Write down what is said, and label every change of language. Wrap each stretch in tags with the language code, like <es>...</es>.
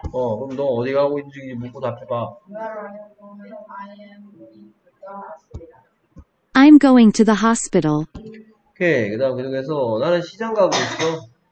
<ko>어, 그럼 너 어디 가고 있는 중인지 묻고 답해봐.</ko> <en>Where are you going? I am going to the hospital. I'm going to the hospital.</en> <ko>오케이. 그 다음 계속해서 나는 시장 가고 있어.</ko>